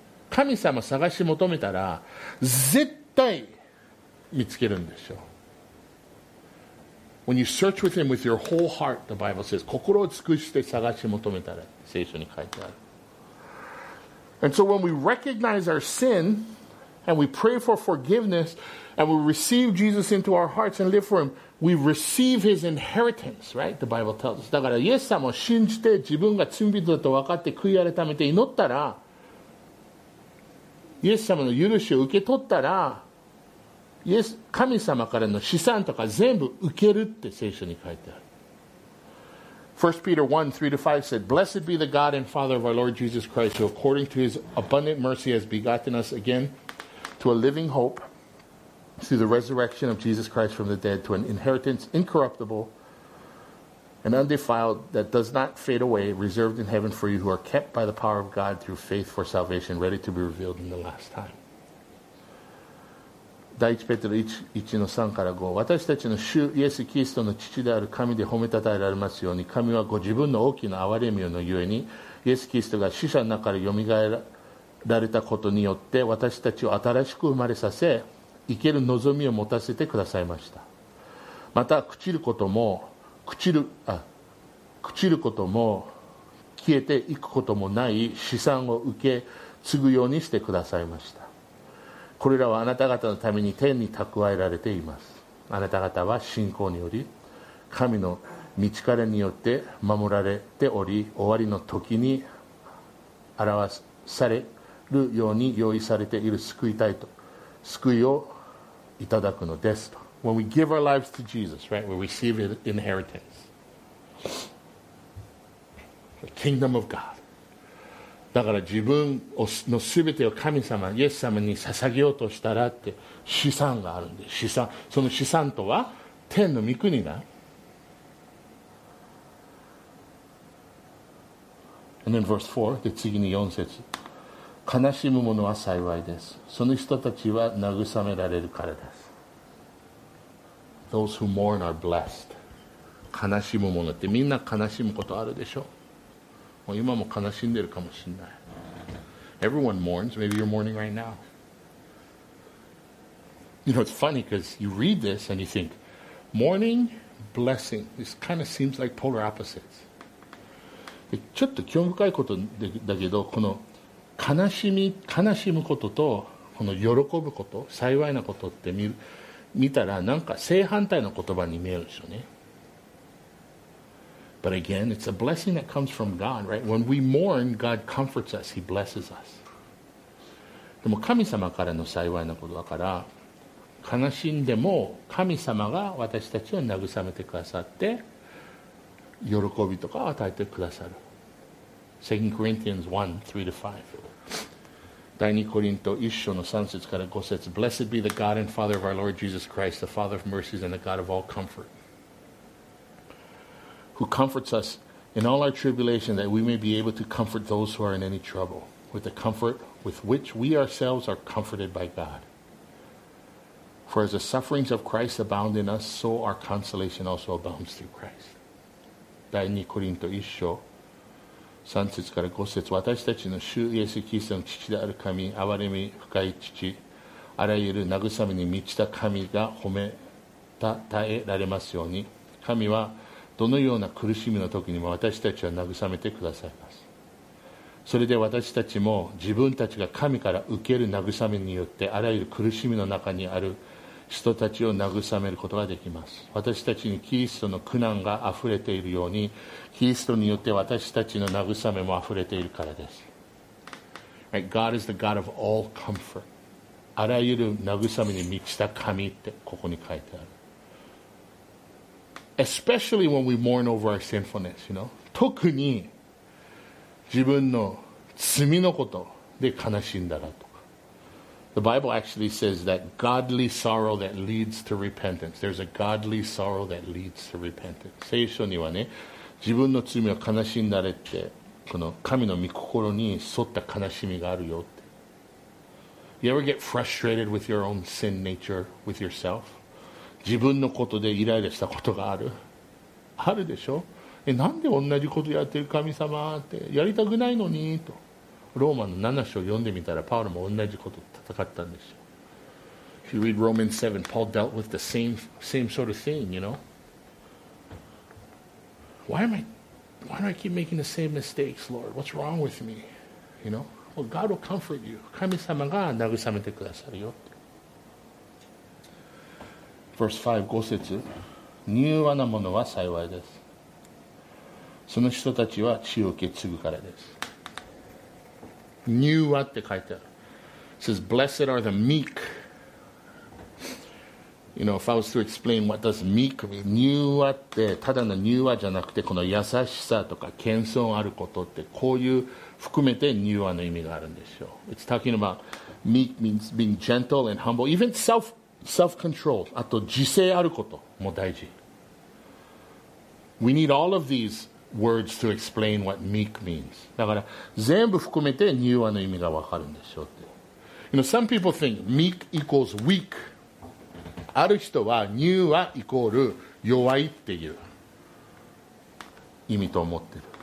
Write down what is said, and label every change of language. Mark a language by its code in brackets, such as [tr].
[ja] 神様探し求めたら絶対見つけるんでしょう。 [en] When you search with him with your whole heart, the Bible says, [ja] 心を尽くして探し求めたら聖書に書いてある。 [en] And so when we recognize our sin and we pray for forgiveness and we receive Jesus into our hearts and live for him,We receive his inheritance, right? The Bible tells us. [ja] だからイエス様を信じて自分が罪人だと分かって悔い改めて祈ったらイエス様の許しを受け取ったらイエス神様からの資産とか全部受けるって聖書に書いてある。 [en] 1 Peter 1, 3-5 said, Blessed be the God and Father of our Lord Jesus Christ, who according to his abundant mercy has begotten us again to a living hope. Through the resurrection of Jesus Christ from the dead to an inheritance incorruptible and undefiled that does not fade away, reserved in heaven for you who are kept by the power of God through faith for salvation, ready to be revealed in the last time. [ja] 第1ペテロ 1-3-5 私たちの主イエス・キリストの父である神で褒めたたえられますように神はご自分の大きな憐れみのゆえにイエス・キリストが死者の中からよみがえられたことによって私たちを新しく生まれさせ生ける望みを持たせてくださいました。また朽ちることも朽ちることも消えていくこともない資産を受け継ぐようにしてくださいました。これらはあなた方のために天に蓄えられています。あなた方は信仰により神の御力によって守られており終わりの時に表されるように用意されている救いたいと救いをいただくのですと。 [en] When we give our lives to Jesus, right, we receive an inheritance. The kingdom of God. [ja] だから自分のすべてを神様、イエス様に捧げようとしたらって資産があるんです。資産、その資産とは天の御国だ。 [en] And then verse 4, [ja] で次に4節。悲しむ者は幸いです。その人たちは慰められるからです。 [en] Those who mourn are blessed. [ja] 悲しむものってみんな悲しむことあるでしょ。もう今も悲しんでるかもしれない。 [en] Everyone mourns. Maybe you're mourning right now. You know, it's funny because you read this and you think, mourning, blessing. This kind of seems like polar opposites. [ja] ちょっと興味深いことだけど、この悲しむこととこの喜ぶこと、幸いなことって見たらなんか正反対の言葉に見えるでしょうね。 [en] But again, it's a blessing that comes from God, right? When we mourn, God comforts us. He blesses us. [ja] でも神様からの幸いなことだから、悲しんでも神様が私たちを慰めてくださって、喜びとかを与えてくださる。 [en] 2 Corinthians 1:3-5。 [ja] 第2コリント1章の3節から5節。 [en] Blessed be the God and Father of our Lord Jesus Christ, the Father of mercies and the God of all comfort. Who comforts us in all our tribulation that we may be able to comfort those who are in any trouble with the comfort with which we ourselves are comforted by God. For as the sufferings of Christ abound in us, so our consolation also abounds through Christ. [ja] 第二コリント一章三節から五節私たちの主イエス・キリストの父である神憐れみ深い父あらゆる慰めに満ちた神が褒めたたえられますように神はどのような苦しみの時にも私たちは慰めてくださいます。それで私たちも自分たちが神から受ける慰めによってあらゆる苦しみの中にある人たちを慰めることができます。私たちにキリストの苦難が溢れているようにキリストによって私たちの慰めも溢れているからです。 [en] Right, God is the God of all comfort. [ja] あらゆる慰めに満ちた神ってここに書いてある。 [en] Especially when we mourn over our sinfulness, you know. [ja] 特に自分の罪のことで悲しんだらとか。 [en] The Bible actually says that godly sorrow that leads to repentance. There's a godly sorrow that leads to repentance. [ja] 聖書にはね、自分の罪を悲しんだれって、この神の御心に沿った悲しみがあるよって。 [en] You ever get frustrated with your own sin nature, with yourself? [ja] 自分のことでイライラしたことがある。あるでしょ? え、なんで同じことやってる神様って、やりたくないのにと。ローマの7章を読んでみたら、パウロも同じこと戦ったんですよ。 [en] If you read Romans 7, Paul dealt with the same sort of thing, you know? Why do I keep making the same mistakes, Lord? What's wrong with me? You know? Well, God will comfort you. [ja] 神様が慰めてくださるよ。 [en] Verse 5, [ja] 5節、柔和なものは幸いです。その人たちは血を受け継ぐからです。柔和って書いてある。 [en] It says, blessed are the meek. You know, if I was to explain what does meek mean, [ja] 柔和ってただの柔和じゃなくて、この優しさとか謙遜あることって、こういう含めて柔和の意味があるんですよ。 [en] It's talking about meek means being gentle and humble, even self-control, [ja] あと自制あることも大事。 [en] We need all of these words to explain what meek means. [ja] だから全部含めて柔和の意味がわかるんでしょうって。 [en] You know, some people think meek equals weak. [ja] ある人は柔和イコール弱いっていう意味と思ってる。